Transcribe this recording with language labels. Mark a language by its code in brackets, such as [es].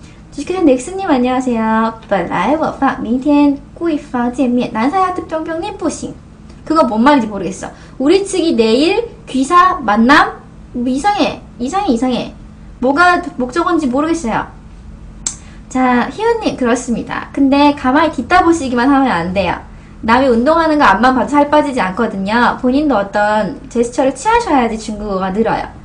[ko] 주식회사 넥스님 안녕하세요. [zh] 本来我放明天贵方见面. 南山亚特冰冰님 不行. [ko] 그거 뭔 말인지 모르겠어. 우리 측이 내일 귀사 만남? 뭐 이상해. 뭐가 목적인지 모르겠어요. 자, 희은님 그렇습니다. 근데 가만히 뒤따 보시기만 하면 안 돼요. 남이 운동하는 거 앞만 봐도 살 빠지지 않거든요. 본인도 어떤 제스처를 취하셔야지 중국어가 늘어요.